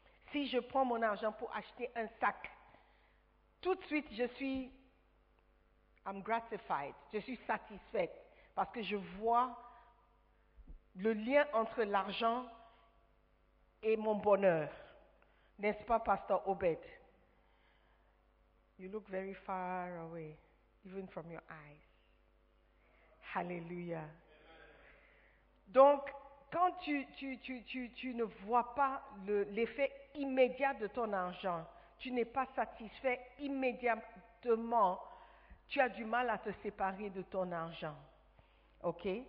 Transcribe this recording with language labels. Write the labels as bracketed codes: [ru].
[fr] Si je prends mon argent pour acheter un sac, tout de suite [en] I'm gratified, [fr] je suis satisfaite. Parce que je vois le lien entre l'argent et mon bonheur. N'est-ce pas, Pasteur Obed? [en] You look very far away, even from your eyes. Hallelujah. [fr] Donc, quand tu ne vois pas l'effet immédiat de ton argent, tu n'es pas satisfait immédiatement, tu as du mal à te séparer de ton argent. Ok?